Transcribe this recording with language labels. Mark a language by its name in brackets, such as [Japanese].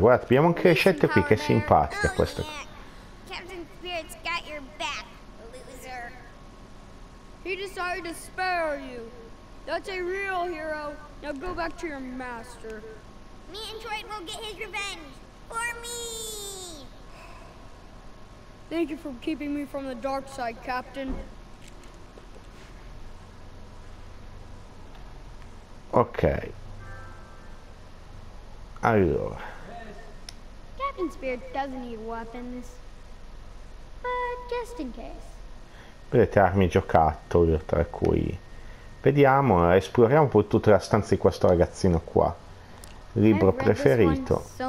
[Italian] Guarda, abbiamo anche le scelte qui, che simpatica questa. [English] Captain Spirit's got your back, loser. He decided to spare you. That's a real hero. Now go back to your master. Mantroid will get his revenge for me. Thank you for keeping me from the dark side, Captain. Ok. [Italian] Allora. [English] Captain Spirit doesn't need weapons. But just in case. [Italian] Vedete, armi giocattoli, tra cui. Vediamo, esploriamo poi tutta la stanza di questo ragazzino qua. Libro preferito.